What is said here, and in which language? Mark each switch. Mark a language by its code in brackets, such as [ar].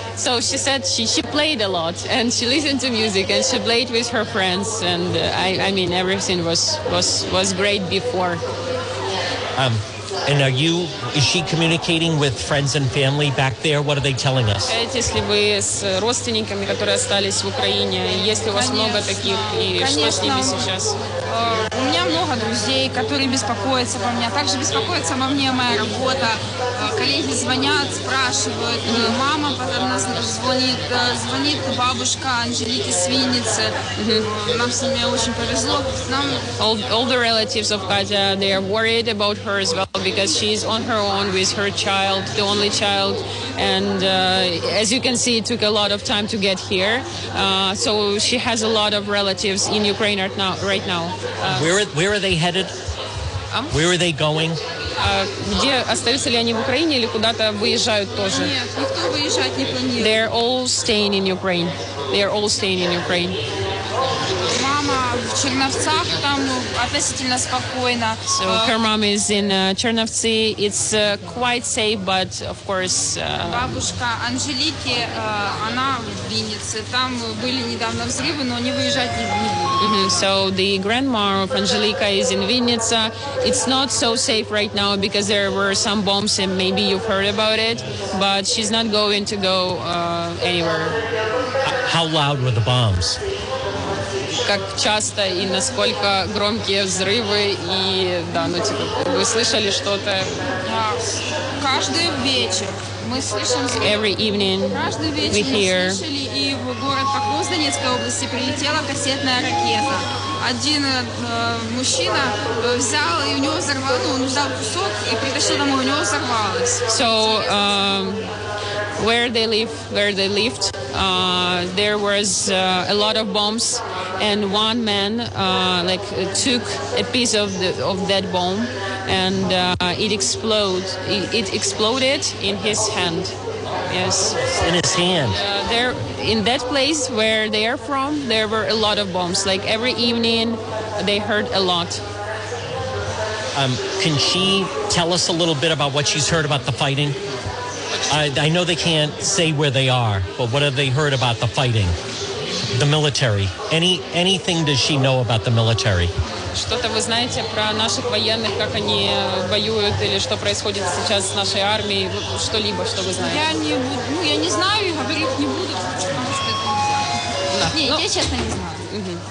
[en] So she said she played a lot and she listened to music and she played with her friends and I mean everything was great before. And is she communicating with friends and family back there? What are they telling us? [ru] Если вы с родственниками, которые остались в Украине, есть ли у вас много таких и что с ними сейчас? У меня много друзей, которые беспокоятся по мне. Также беспокоится обо мне моя работа. Коллеги звонят, спрашивают. Мама потом нас звонит. Звонит бабушка Анжелики Свинницы. Нам с ними очень повезло. [en] All the relatives of Katya, they are worried about her as well, because she is on her own with her child, the only child. And as you can see, it took a lot of time to get here. So she has a lot of relatives in Ukraine right now. Where are they headed? Where are they going? [ru] Где остаются ли они в Украине или куда-то выезжают тоже? Нет, никто выезжать не планирует. [en] They're all staying in Ukraine. They are all staying in Ukraine. [ru] Мама в Черновцах, там относительно спокойно. [en] So her mom is in Chernovtsi. It's quite safe, but of course. [ru] Бабушка Анжелики, она в Виннице. Там были недавно взрывы, но они выезжать не будут. [en] So the grandma of Angelika is in Vinnytsia. It's not so safe right now because there were some bombs and maybe you've heard about it, but she's not going to go anywhere. How loud were the bombs? [ru] Как часто и насколько громкие взрывы и да, ну типа вы слышали что-то? Каждый вечер мы слышим звук. [en] Every evening. [ru] Каждый вечер [en] we [ru] мы [en] hear. [ru] Слышали и в город Покров Донецкой области прилетела кассетная ракета. Один мужчина взял и у него взорвало, он взял кусок и притащил домой, у него взорвалось. [en] So where they lived, there was a lot of bombs, and one man like took a piece of that bomb, and it exploded in his hand. Yes, in his hand. There, in that place where they are from, there were a lot of bombs. Like every evening, they heard a lot. Can she tell us a little bit about what she's heard about the fighting? I know they can't say where they are, but what have they heard about the fighting? The military. Anything does she know about the military? [ru] Что-то вы знаете про наших военных, как они воюют или что происходит сейчас с нашей армией, что-либо, что вы знаете? Я не знаю, я говорить не буду, потому что это нельзя. Я честно не знаю.